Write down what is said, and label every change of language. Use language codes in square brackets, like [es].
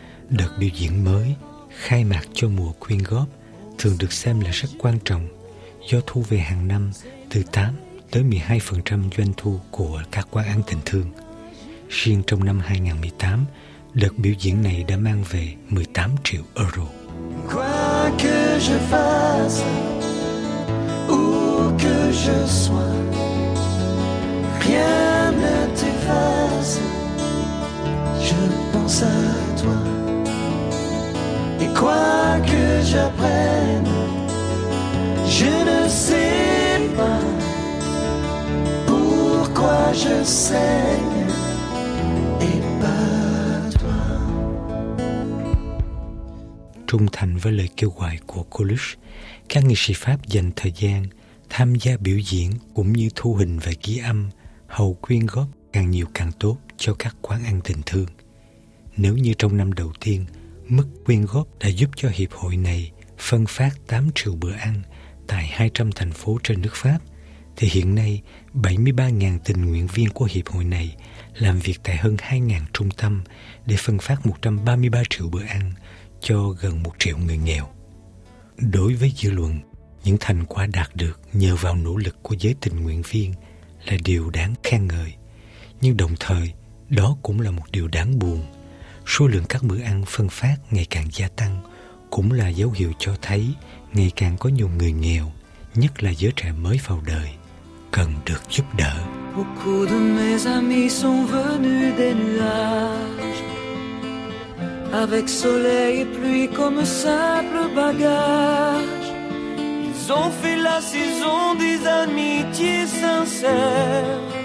[vi] Đợt biểu diễn mới khai mạc cho mùa quyên góp thường được xem là rất quan trọng do thu về hàng năm từ 8 tới 12% doanh thu của các quán ăn tình thương. Riêng trong năm 2018, đợt biểu diễn này đã mang về 18 triệu euro. [fr] Quoi que je fasse, où que je sois, rien ne t'efface, je pense à toi. Et quoi que j'apprenne, je ne sais pas pourquoi je saigne et pas toi. [vi] Trung thành với lời kêu gọi của Coluche, các nghệ sĩ Pháp dành thời gian tham gia biểu diễn cũng như thu hình và ghi âm hầu quyên góp càng nhiều càng tốt cho các quán ăn tình thương. Nếu như trong năm đầu tiên, mức quyên góp đã giúp cho hiệp hội này phân phát 8 triệu bữa ăn tại 200 thành phố trên nước Pháp, thì hiện nay 73.000 tình nguyện viên của hiệp hội này làm việc tại hơn 2.000 trung tâm để phân phát 133 triệu bữa ăn cho gần 1 triệu người nghèo. Đối với dư luận, những thành quả đạt được nhờ vào nỗ lực của giới tình nguyện viên là điều đáng khen ngợi. Nhưng đồng thời, đó cũng là một điều đáng buồn. Số lượng các bữa ăn phân phát ngày càng gia tăng cũng là dấu hiệu cho thấy ngày càng có nhiều người nghèo, nhất là giới trẻ mới vào đời, cần được giúp đỡ. [fr] Beaucoup de mes amis sont venus des nuages, avec soleil et pluie comme simple bagage. Ils ont fait la saison des amitiés sincères,